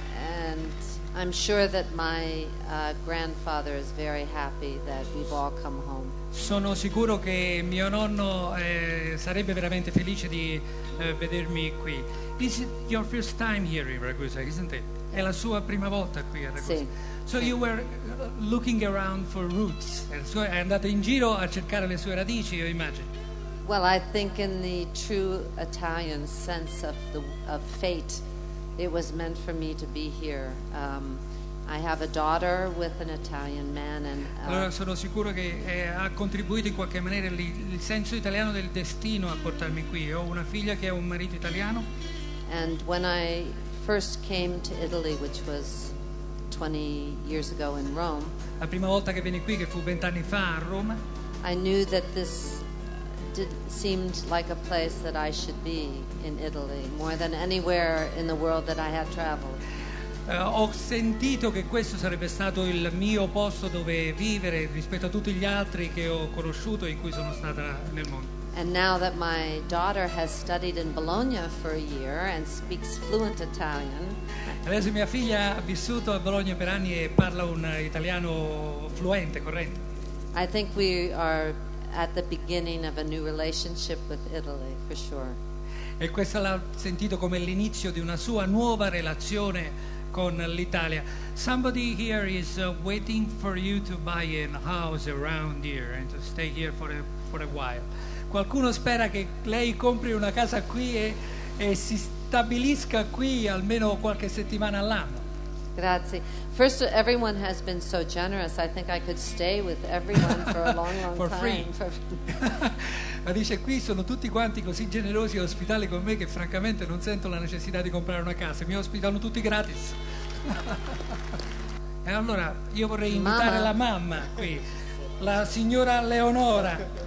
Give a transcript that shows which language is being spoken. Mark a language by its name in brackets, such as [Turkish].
[English] And I'm sure that my grandfather is very happy that we've all come home. [Italian] Sono sicuro che mio nonno sarebbe veramente felice di vedermi qui. [English] This is your first time here in Ragusa, isn't it? [Italian] È la sua prima volta qui a Ragusa. Sì. [English] So you were looking around for roots. [Italian] So è andato in giro a cercare le sue radici, io immagino. [English] Well, I think in the true Italian sense of fate, it was meant for me to be here. I have a daughter with an Italian man, and. [Italian] Allora sono sicuro che ha contribuito in qualche maniera il senso italiano del destino a portarmi qui. Ho una figlia che ha un marito italiano. [English] And when I first came to Italy, which was 20 years ago in Rome. [Italian] La prima volta che venni qui, che fu 20 anni fa a Roma. [English] I knew that this seemed like a place that I should be in Italy more than anywhere in the world that I had traveled. [Italian] Ho sentito che questo sarebbe stato il mio posto dove vivere rispetto a tutti gli altri che ho conosciuto e in cui sono stata nel mondo. [English] And now that my daughter has studied in Bologna for a year and speaks fluent Italian. [Italian] Adesso mia figlia ha vissuto a Bologna per anni e parla un italiano fluente, corrente. [English] I think we are at the beginning of a new relationship with Italy, for sure. [Italian] E questa l'ha sentito come l'inizio di una sua nuova relazione con l'Italia. [English] Somebody here is waiting for you to buy a house around here and to stay here for a while. [Italian] Qualcuno spera che lei compri una casa qui e si stabilisca qui almeno qualche settimana all'anno. [English] Grazie. First, everyone has been so generous. I think I could stay with everyone for a long, long for time. Free. For free. [Italian] Ma dice qui sono tutti quanti così generosi e ospitali con me che francamente non sento la necessità di comprare una casa. Mi ospitano tutti gratis. E allora io vorrei invitare la mamma qui, la signora Leonora.